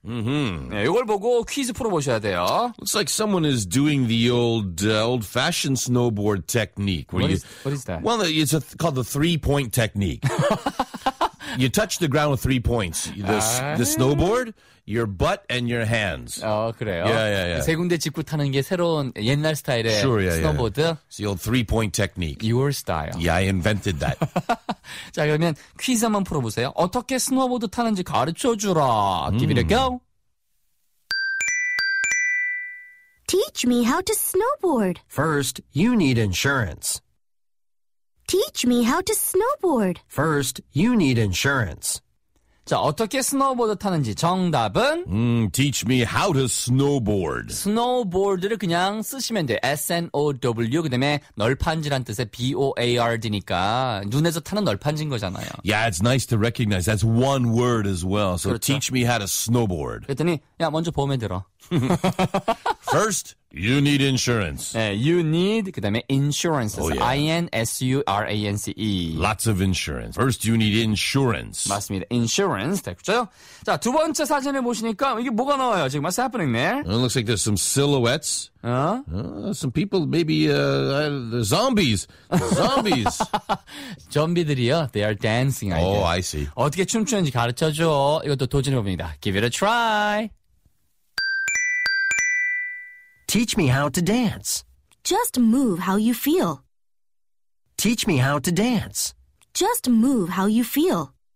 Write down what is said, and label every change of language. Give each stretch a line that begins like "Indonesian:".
Korean: 네, 이걸 보고 퀴즈 풀어 보셔야 돼요.
English: Looks like someone is doing the old fashioned snowboard technique. What is that? Well, it's called the 3-point technique. You touch the ground with 3 points. The snowboard, your butt and your hands.
Korean: 그래요.
English: Yeah.
Korean: 세 군데 짚고 타는 게 새로운 옛날 스타일의 스노보드.
English: Yeah. It's the old 3-point technique. Your style. Yeah, I invented that.
Korean: 자, 그러면 퀴즈 한번 풀어보세요. 어떻게 스노보드 타는지 가르쳐주라.
English: Give it a go. Teach me how to snowboard. First, you need insurance. Teach me how to snowboard. First, you need insurance.
Korean: 자, 어떻게 스노보드 타는지 정답은?
English: Teach me how to snowboard.
Korean: 스노보드를 그냥 쓰시면 돼. S-N-O-W, 그 다음에 널판지란 뜻의 B-O-A-R-D니까 눈에서 타는 널판지인 거잖아요.
English: Yeah, it's nice to recognize. That's one word as well. So
Korean: 그렇죠.
English: Teach me how to snowboard.
Korean: 그랬더니, 야, 먼저 봄에 들어.
English: First, you need insurance.
Korean: 네,
English: you need,
Korean: 그 다음에 insurance.
English: Oh, yeah. I-N-S-U-R-A-N-C-E. Lots of insurance. First, you need insurance.
Korean: 맞습니다. Insurance. 됐죠? 자, 두 번째 사진을 보시니까 이게 뭐가 나와요?
English: 지금 what's happening there? It looks like there's some silhouettes. Some people, maybe zombies. Zombies.
Korean: 좀비들이요.
English: They are dancing. Oh, there. I see.
Korean: 어떻게 춤추는지 가르쳐줘. 이것도 도전해봅니다.
English: Give it a try. Teach me how to dance. Just move how you feel. Teach me how to dance. Just move how you feel.